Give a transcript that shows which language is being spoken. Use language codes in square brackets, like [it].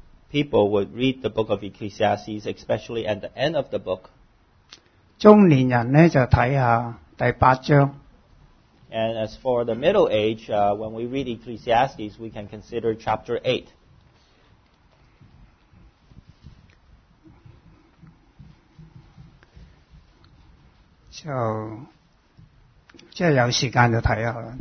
[en] people would read the book of Ecclesiastes, especially at the end of the book. [zh] 中年人呢, 就看下第八章, [en] and as for the middle age, when we read Ecclesiastes, we can consider chapter 8. [zh] 就有时间就看下,